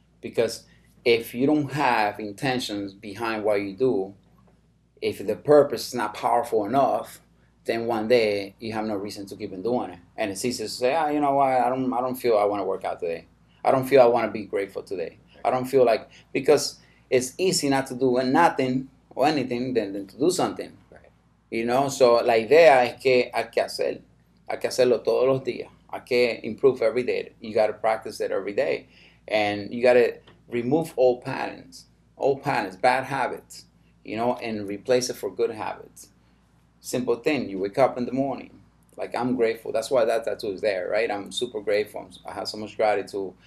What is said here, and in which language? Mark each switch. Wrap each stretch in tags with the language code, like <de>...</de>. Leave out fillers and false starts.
<en>Because if you don't have intentions behind what you do, if the purpose is not powerful enough, then one day you have no reason to keep on doing it. And it's easy to say, ah, oh, you know what? I don't feel I want to work out today. I don't feel I want to be grateful today. I don't feel like, because it's easy not to do nothing or anything than to do something. You know?</en> <es>So la idea es que hay que hacerlo todos los días. Hay que</es> <en>improve every day. You got to practice it every day. And you got to remove old patterns, bad habits, you know, and replace it for good habits. Simple thing, you wake up in the morning. Like, I'm grateful. That's why that tattoo is there, right? I'm super grateful. I have so much gratitude.</en>